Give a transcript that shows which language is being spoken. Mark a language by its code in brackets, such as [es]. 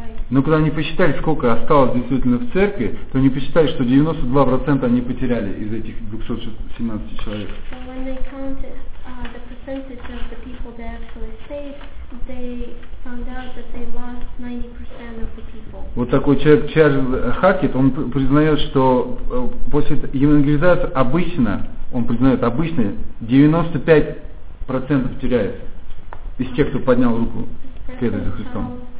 [ru] Но когда они посчитали, сколько осталось действительно в церкви, то они посчитали, что 92% они потеряли из этих 217 человек. [en] So when they counted the percentage of the people they actually saved, they found out that they lost 90% of the people. [ru] Вот такой человек Чарльз Хакет, он признает, что после евангелизации обычно, он признает обычно, 95% теряется. Из тех, кто поднял руку, следует за Христом.